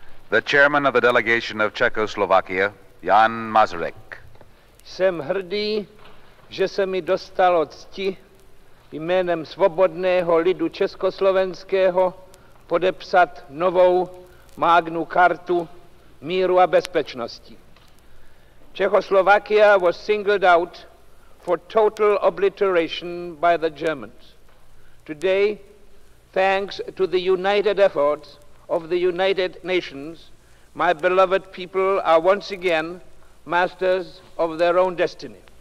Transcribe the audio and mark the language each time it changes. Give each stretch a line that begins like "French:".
English: The chairman of the delegation of Czechoslovakia, Jan Masaryk.
Czech: Jsem hrdý, že se mi dostalo cti jménem svobodného lidu československého podepsat novou Magnu Kartu míru a bezpečnosti.
English: Czechoslovakia was singled out for total obliteration by the Germans. Today, thanks to the united efforts of the United Nations, my beloved people are once again masters of their own destiny.